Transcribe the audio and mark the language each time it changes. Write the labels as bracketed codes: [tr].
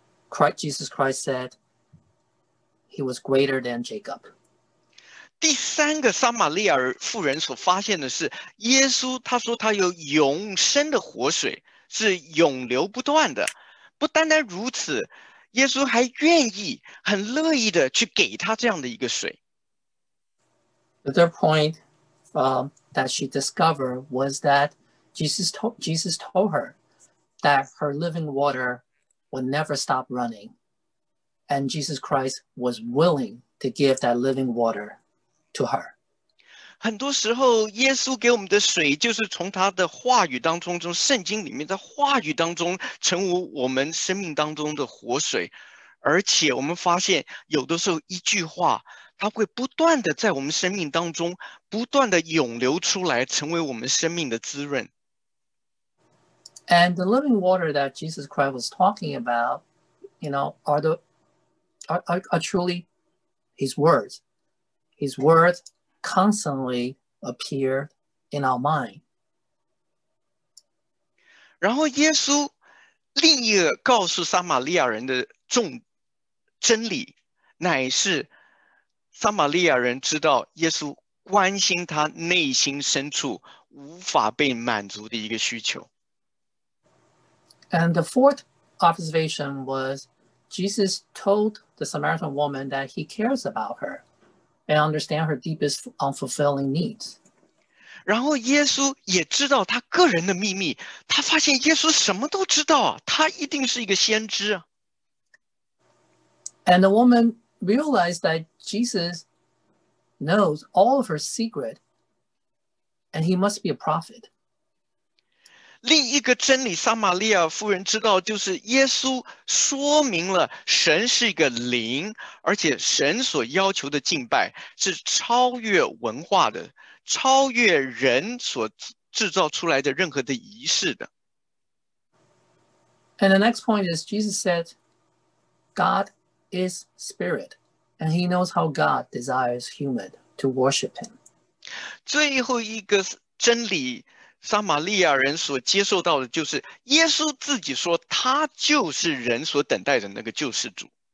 [en] Jesus Christ said he was greater than Jacob. [zh] 第三个撒玛利亚妇人所发现的是，耶稣他说他有永生的活水，是永流不断的。不单单如此，耶稣还愿意，很乐意的去给他这样的一个水。 [en] The third point, that she discovered was that Jesus told her that her living water would never stop running, and Jesus Christ was willing to give that living water. To her. [zh] 很多时候耶稣给我们的水就是从他的话语当中，从圣经里面的话语当中成为我们生命当中的活水，而且我们发现，有的时候一句话，它会不断的在我们生命当中不断的涌流出来，成为我们生命的滋润。 [en] And the living water that Jesus Christ was talking about, are truly his words. His words constantly appear in our mind. [zh] 然后耶稣另一个告诉撒玛利亚人的重真理，乃是撒玛利亚人知道耶稣关心他内心深处无法被满足的一个需求。 [en] And the fourth observation was Jesus told the Samaritan woman that he cares about her and understand her deepest unfulfilling needs. [zh] 然后耶稣也知道他个人的秘密，他发现耶稣什么都知道啊，他一定是一个先知啊。 [en] And the woman realized that Jesus knows all of her secret and he must be a prophet. [zh] 另一个真理，撒玛利亚夫人知道，就是耶稣说明了神是一个灵，而且神所要求的敬拜是超越文化的，超越人所制造出来的任何的仪式的。 [en] And the next point is Jesus said, God is spirit, and he knows how God desires human to worship him. [zh] 最后一个真理，撒玛利亚人所接受到的就是耶稣自己说，他就是人所等待的那个救世主。